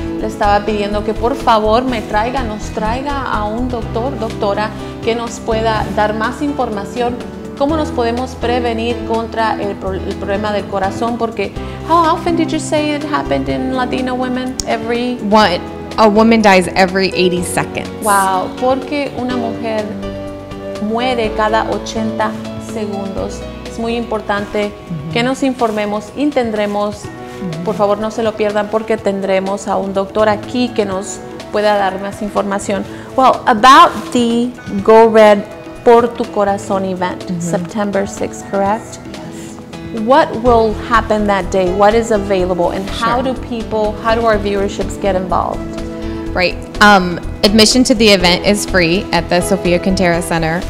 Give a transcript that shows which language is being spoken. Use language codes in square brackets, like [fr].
[es] Le estaba pidiendo que por favor nos traiga a un doctor, doctora, que nos pueda dar más información. ¿Cómo nos podemos prevenir contra el problema del corazón? Porque, [en] how often did you say it happened in Latino women? Every... What? A woman dies every 80 seconds. [es] Wow. Porque una mujer muere cada 80 segundos. Es muy importante que nos informemos y tendremos, por favor no se lo pierdan, porque tendremos a un doctor aquí que nos pueda dar más información. [en] Well, about the Go Red Por Tu Corazón event, September 6th, correct? Yes. What will happen that day? What is available? And how do our viewerships get involved? Right. Admission to the event is free at the Sofia Quintero Center.